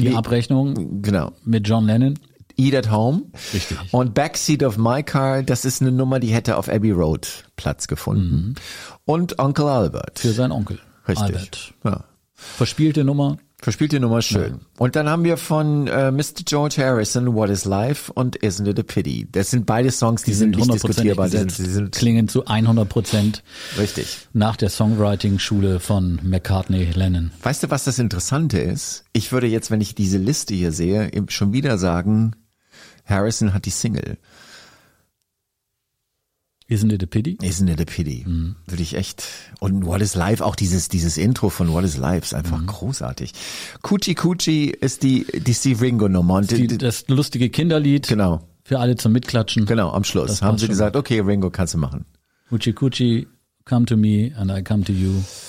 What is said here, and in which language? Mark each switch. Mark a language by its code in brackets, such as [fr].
[de] die Abrechnung mit John Lennon. Eat at Home. Richtig. Und Backseat of My Car, das ist eine Nummer, die hätte auf Abbey Road Platz gefunden. Mhm. Und Uncle Albert. Für seinen Onkel. Richtig. Albert. Ja. Verspielte Nummer. Verspielte Nummer, schön. Ja. Und dann haben wir von Mr. George Harrison, What is Life und Isn't It a Pity. Das sind beide Songs, die sind nicht diskutierbar. Die sind klingen zu 100% richtig. Nach der Songwriting-Schule von McCartney Lennon. Weißt du, was das Interessante ist? Ich würde jetzt, wenn ich diese Liste hier sehe, schon wieder sagen, Harrison hat die Single. [en] Isn't it a pity? Isn't it a pity? Mhm. [de] Würde ich echt. Und What is Life, auch dieses Intro von What is Life ist einfach großartig. Coochie Coochie ist die Ringo-Nummer. Das lustige Kinderlied. Genau. Für alle zum Mitklatschen. Genau, am Schluss. Das haben sie gesagt, okay, Ringo, kannst du machen. [en] Coochie Coochie, come to me and I come to you.